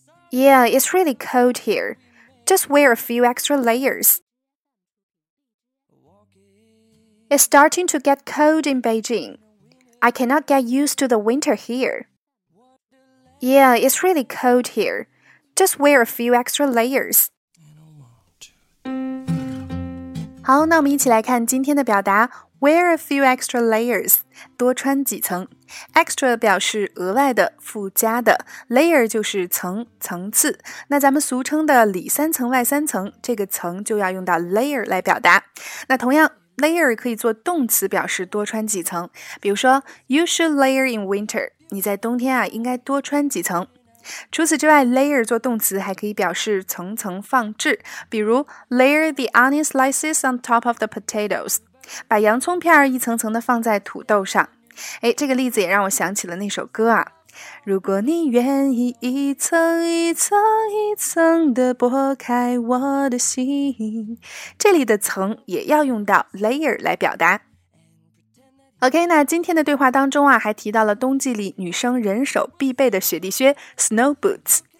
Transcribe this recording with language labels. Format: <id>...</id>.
<en>Yeah, it's really cold here. Just wear a few extra layers. It's starting to get cold in Beijing. I cannot get used to the winter here. Yeah, it's really cold here. Just wear a few extra layers.</en> <zh>好，那我们一起来看今天的表达</zh> <en>wear a few extra layers,</en> <zh>多穿几层。 Extra 表示额外的、附加的 ,layer 就是层、层次。那咱们俗称的里三层、外三层，这个层就要用到 layer 来表达。那同样 ,layer 可以做动词表示多穿几层。比如说 ,</zh> <en>you should layer in winter,</en> <zh>你在冬天啊应该多穿几层。除此之外 ,layer 做动词还可以表示层层放置。比如 ,</zh> <en>layer the onion slices on top of the potatoes,</en> <zh>把洋葱片一层层地放在土豆上。哎，这个例子也让我想起了那首歌啊。如果你愿意一层一层一层地剥开我的心。这里的层也要用到 layer 来表达。OK, 那今天的对话当中啊还提到了冬季里女生人手必备的雪地靴 ,snow boots。</zh>